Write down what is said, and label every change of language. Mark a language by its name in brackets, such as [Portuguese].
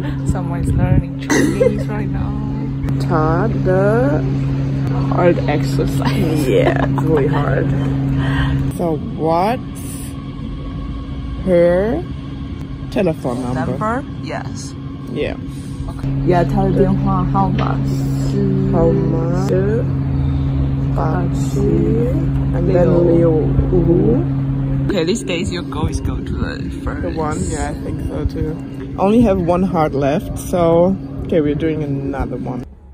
[English] Someone's learning Chinese right now. Taught the hard exercise. Yeah, it's really hard. So what's her telephone number? Number? Yes. Yeah. Okay. [Chinese] Yeah, 他的电话号码是号码是八七， [English] and then [Chinese] 六五。 [English] Okay, these days your goal is go to the first. The one, yeah, I think so too. Only have one heart left, so okay, we're doing another one.